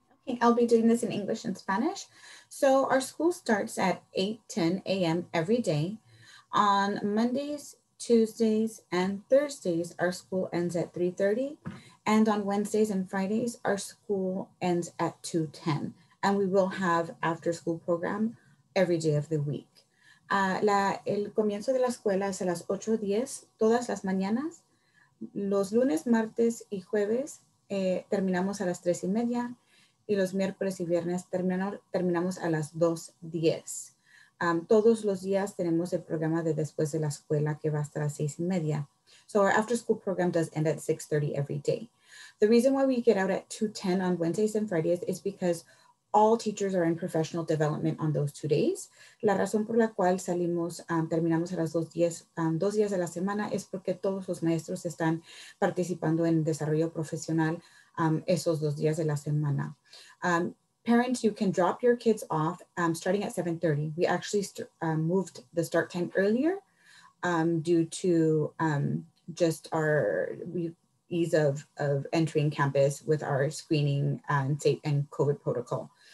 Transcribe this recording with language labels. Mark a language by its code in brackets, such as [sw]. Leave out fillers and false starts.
[en] Okay, I'll be doing this in English and Spanish. So our school starts at 8:10 a.m. every day. On Mondays, Tuesdays, and Thursdays, our school ends at 3:30. And on Wednesdays and Fridays, our school ends at 2:10. And we will have after school program every day of the week. [es] El comienzo de la escuela es a las 8:10 todas las mañanas. Los lunes, martes y jueves terminamos a las 3:30. Y los miércoles y viernes terminamos a las 2:10. Todos los días tenemos el programa de después de la escuela que va hasta las 6:30. [en] So our after school program does end at 6:30 every day. The reason why we get out at 2:10 on Wednesdays and Fridays is because all teachers are in professional development on those 2 days. [es] La razón por la cual salimos, terminamos a las 2:10, 2 días de la semana es porque todos los maestros están participando en desarrollo profesional esos 2 días de la semana. [en] Parents, you can drop your kids off starting at 7:30. We actually moved the start time earlier due to just our ease of entering campus with our screening and safe and COVID protocol.